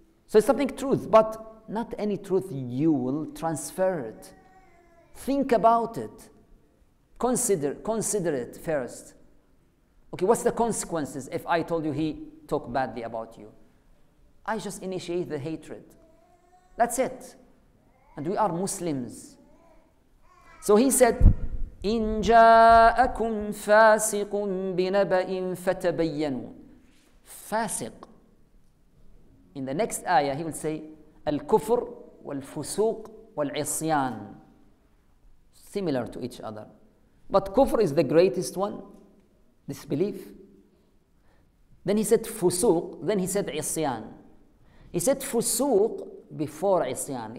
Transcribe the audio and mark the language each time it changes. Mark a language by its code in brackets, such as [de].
[en] So it's something truth, but not any truth you will transfer it. Think about it. Consider it first. Okay, what's the consequences if I told you he talked badly about you? I just initiate the hatred. That's it. And we are Muslims. So he said, [ar] إِن جَاءَكُمْ فَاسِقٌ بِنَبَئٍ فَتَبَيَّنُوا. [en] Fasiq. In the next ayah, he will say, [ar] الكفر والفسوق والعصيان. [en] Similar to each other. But kufr is the greatest one, disbelief. Then he said fusuq, then he said isyan. He said fusuq before isyan.